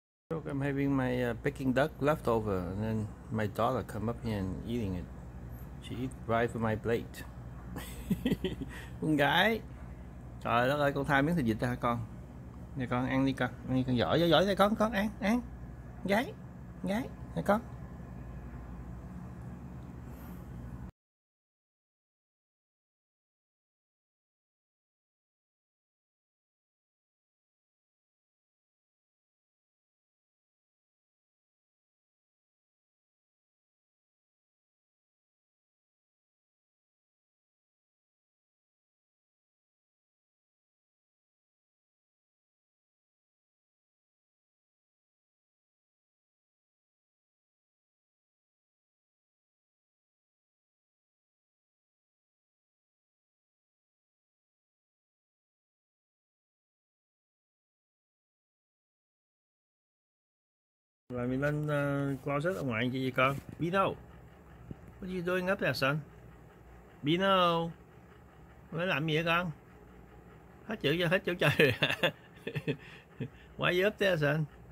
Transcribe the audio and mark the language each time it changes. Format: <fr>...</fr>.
<en>Look, I'm having my Peking duck leftover, and then my daughter come up here and eating it. She eat right from my plate.</en> <vi>Con gái. Trời đất ơi, con tha miếng thịt vịt ra hả con? Nè con ăn đi con. Ăn đi con, giỏi giỏi đây con ăn, ăn. Gái, gái, nè con. Rồi mình lên closet ở ngoài chơi gì con?</vi> <en>Bino, what are you doing up there, son?</en> <vi>Bino, mới làm gì vậy con? Hết chữ chưa? Hết chữ trời.</vi> <en>Why are you up there, son?</en>